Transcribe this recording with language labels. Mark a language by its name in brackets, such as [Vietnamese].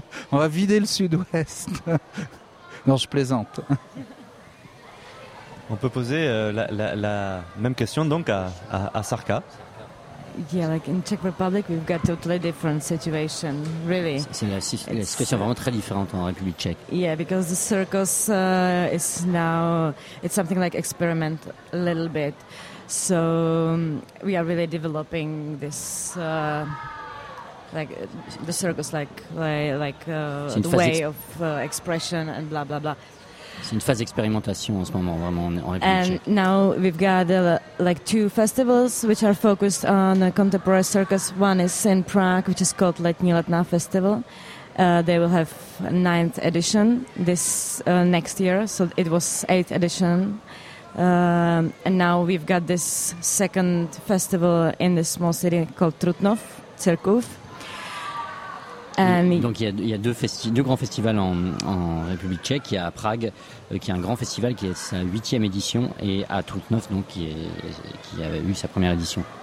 [French] On va vider le sud-ouest. Non, je plaisante. On peut poser la même question donc à Sarka. [English] Yeah, like in Czech Republic, we've got totally different situation, really. [French] C'est la situation vraiment très différente en République tchèque. [English] Yeah, because the circus is now it's something like experiment a little bit. So we are really developing this like the circus like way of expression and blah blah blah. [French] C'est une phase d'expérimentation en ce moment, vraiment en République. [English] And now we've got like two festivals which are focused on contemporary circus. One is in Prague, which is called Letní Letná Festival. They will have a 9th edition this next year. So it was 8th edition, and now we've got this second festival in this small city called Trutnov, Cirkův. [French] Donc il y a deux grands festivals en République tchèque. Il y a à Prague, qui est un grand festival, qui est sa 8e édition, et à Trutnov, donc qui a eu sa première édition.